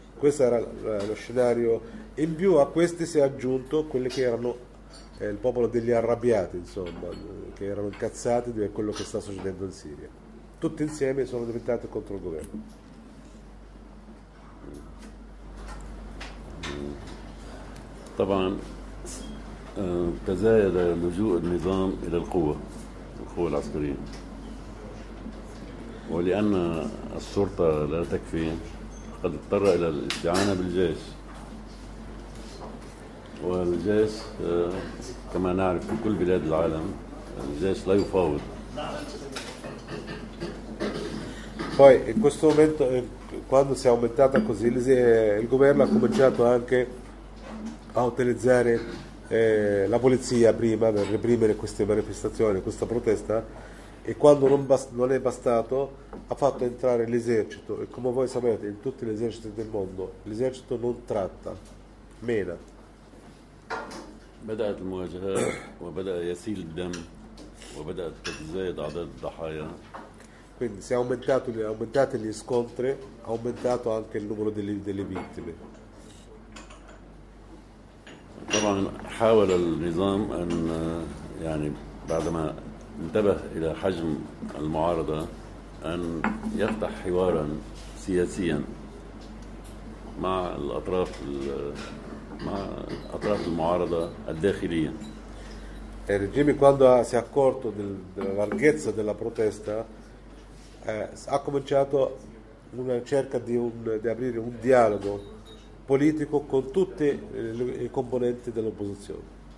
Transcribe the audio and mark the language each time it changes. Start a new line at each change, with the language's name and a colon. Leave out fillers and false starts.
Italian: Questo era lo scenario. In più a questi si è aggiunto quelli che erano il popolo degli arrabbiati, insomma, che erano incazzati di quello che sta succedendo in Siria. Tutti insieme sono diventati contro il governo.
Arabic: طبعا تزايد لجوء النظام الى القوه العسكريه ولان الشرطه لا تكفي قد اضطر الى الاستعانه بالجيش والجيش كما نعرف في كل بلاد العالم الجيش لا يفاوض.
Italian: Poi in questo momento quando si è aumentata così il governo ha cominciato anche a utilizzare la polizia prima per reprimere queste manifestazioni, questa protesta, e quando non è bastato ha fatto entrare l'esercito, e come voi sapete in tutti gli eserciti del mondo l'esercito non tratta, mena.
Arabic: بدأت المواجهات وبدأ يسيل الدم وبدأت تزايد عدد الضحايا.
Italian: Quindi si è aumentati gli scontri, ha aumentato anche il numero delle vittime.
Arabic: طبعا حاول النظام ان يعني بعدما انتبه الى حجم المعارضه ان يفتح حوارا سياسيا مع الاطراف المعارضه الداخليه.
Italian: Il regime quando si è accorto della larghezza della protesta ha cominciato una ricerca di aprire un dialogo politico con tutte le componenti dell'opposizione.